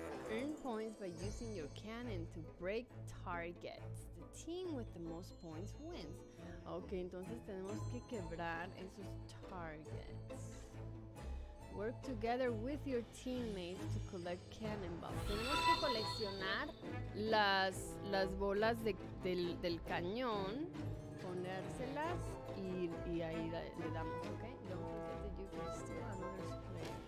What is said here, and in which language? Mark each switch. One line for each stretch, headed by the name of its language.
English: Earn points by using your cannon to break targets. The team with the most points wins.
Spanish: Ok, entonces tenemos que quebrar esos targets.
English: Work together with your teammates to collect cannonballs.
Spanish: Tenemos que coleccionar las bolas del cañón, ponérselas y ahí le damos, ¿ok?
English: Don't forget that you can steal another's player.